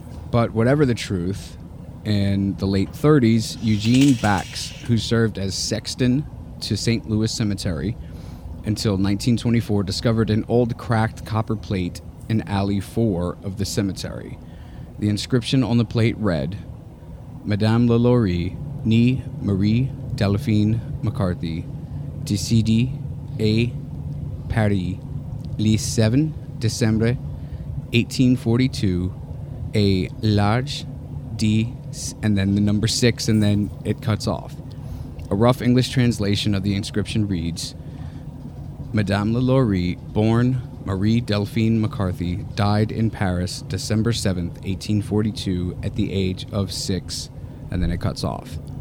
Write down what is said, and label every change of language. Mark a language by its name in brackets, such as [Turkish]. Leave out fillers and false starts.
[English] But whatever the truth, in the late 30s, Eugene Bax, who served as sexton to St. Louis Cemetery until 1924, discovered an old cracked copper plate in Alley 4 of the cemetery. The inscription on the plate read, [French] "Madame LaLaurie, née Marie Delphine McCarthy, décédée à Paris, le 7 décembre 1842, à l'âge D [English] and then the number 6, and then it cuts off. A rough English translation of the inscription reads, Madame Lalaurie, born Marie Delphine McCarthy, died in Paris December 7th, 1842, at the age of 6, and then it cuts off.